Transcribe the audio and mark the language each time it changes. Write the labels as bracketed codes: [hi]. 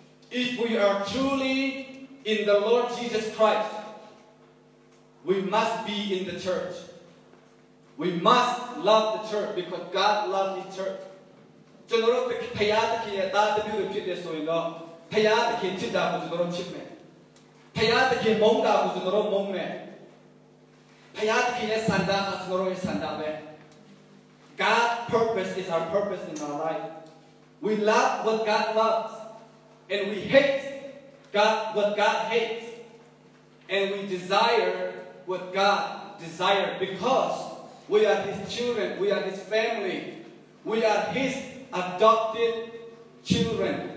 [en] If we are truly in the Lord Jesus Christ, we must be in the church. We must love the church because God loves the church. [my] ကျွန်တော်တို့ဖယားသခင်ရဲ့တာတပြုတွေဖြစ်တယ်ဆိုရင်တော့ဖယားသခင်ချစ်တာကိုကျွန်တော်တို့ချစ်မယ်။ဖယားသခင်မုန်းတာကိုကျွန်တော်တို့မုန်းမယ်။ဖယားသခင်ရဲ့စံတာကကျွန်တော်တို့ရဲ့စံတာပဲ။ [en] God's purpose is our purpose in our life. We love what God loves and we hate God what God hates and we desire what God desires because We are his children, we are his family. We are his adopted children.